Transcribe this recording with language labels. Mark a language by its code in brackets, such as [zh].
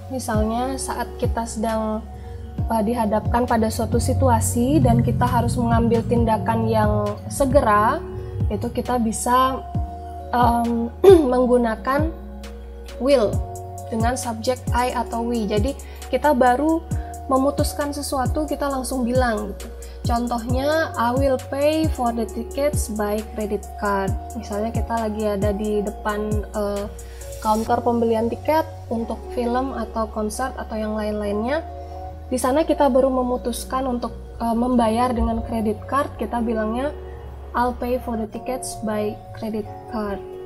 [id] Misalnya saat kita sedang dihadapkan pada suatu situasi dan kita harus mengambil tindakan yang segera, itu kita bisa menggunakan will dengan subjek I atau we. Jadi kita baru memutuskan sesuatu, kita langsung bilang gitu. Contohnya, [en] I will pay for the tickets by credit card. [id] Misalnya kita lagi ada di depan counter pembelian tiket untuk film atau konser atau yang lain-lainnya. Di sana kita baru memutuskan untuk membayar dengan credit card. Kita bilangnya, [en] I'll pay for the tickets by credit card.